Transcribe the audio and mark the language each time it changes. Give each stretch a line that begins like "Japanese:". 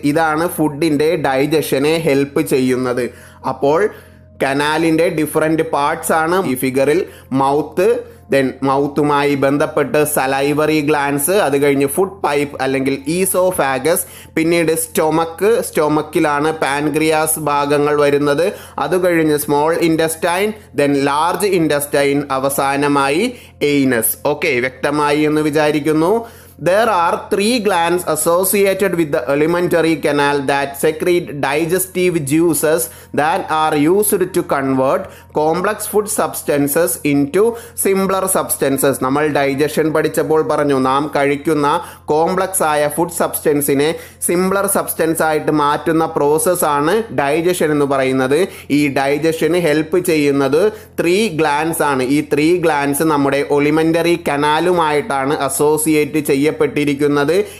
Malayalam: ഇതാണ് ഫുഡിൻ്റെ ഡൈജഷനെ ഹെൽപ്പ് ചെയ്യുന്നത്. അപ്പോൾ കനാലിൻ്റെ ഡിഫറൻറ്റ് പാർട്സ് ആണ് ഈ ഫിഗറിൽ മൗത്ത്, ദെൻ മൗത്തുമായി ബന്ധപ്പെട്ട് സലൈവറി ഗ്ലാൻസ്, അത് കഴിഞ്ഞ് ഫുഡ് പൈപ്പ് അല്ലെങ്കിൽ ഈസോഫാഗസ്, പിന്നീട് സ്റ്റൊമക്ക്. സ്റ്റൊമക്കിലാണ് പാൻക്രിയാസ് ഭാഗങ്ങൾ വരുന്നത്. അത് കഴിഞ്ഞ് small intestine, then large intestine, അവസാനമായി എയ്നസ്. ഓക്കെ, വ്യക്തമായി എന്ന് വിചാരിക്കുന്നു.
English: There are three glands associated with the alimentary canal that secrete digestive juices that are used to convert complex food substances into simpler substances.
Malayalam: നമ്മൾ digestion പഠിച്ചപ്പോൾ പറഞ്ഞു, നാം കഴിക്കുന്ന complex ആയ ഫുഡ് സബ്സ്റ്റൻസിനെ സിംപ്ലർ സബ്സ്റ്റൻസ് ആയിട്ട് മാറ്റുന്ന പ്രോസസ്സാണ് ഡൈജഷൻ എന്ന് പറയുന്നത്. ഈ ഡൈജഷന് ഹെൽപ്പ് ചെയ്യുന്നത് ത്രീ ഗ്ലാൻസ് ആണ്. ഈ ത്രീ ഗ്ലാൻസ് നമ്മുടെ ഒലിമെൻ്ററി കനാലുമായിട്ടാണ് അസോസിയേറ്റ് ചെയ്യപ്പെട്ടിരിക്കുന്നത്.